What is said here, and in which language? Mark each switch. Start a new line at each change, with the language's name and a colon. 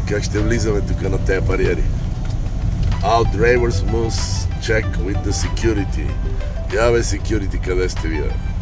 Bulgarian: Как ще влизаме тук на тези бариери?
English: Our drivers must check with the security.
Bulgarian: Я бе, секюрити, къде сте вие?